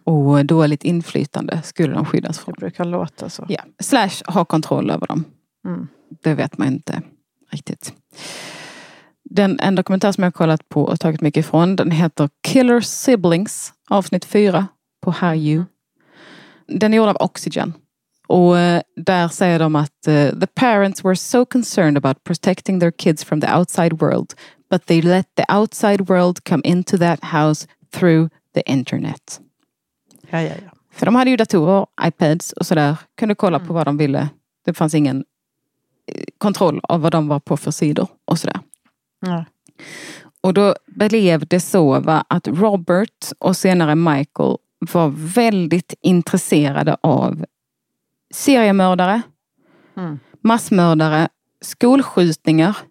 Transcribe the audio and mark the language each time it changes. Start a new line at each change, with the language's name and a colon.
Swedish: Och dåligt inflytande skulle de skyddas från. Det brukar låta så. Ja. Slash ha kontroll över dem. Mm. Det vet man inte riktigt. En dokumentär som jag har kollat på och tagit mycket ifrån, den heter Killer Siblings, avsnitt 4. På How You. Den är gjord av Oxygen. Och där säger de att
English: the parents were so concerned about protecting their kids from the outside world, but they let the outside world come into that house through the internet.
Swedish: Ja, ja, ja. För de hade ju datorer, iPads och sådär. Kunde kolla på vad de ville. Det fanns ingen kontroll av vad de var på för sidor och sådär. Ja. Och då blev det så va, att Robert och senare Michael var väldigt intresserade av seriemördare, massmördare, skolskjutningar.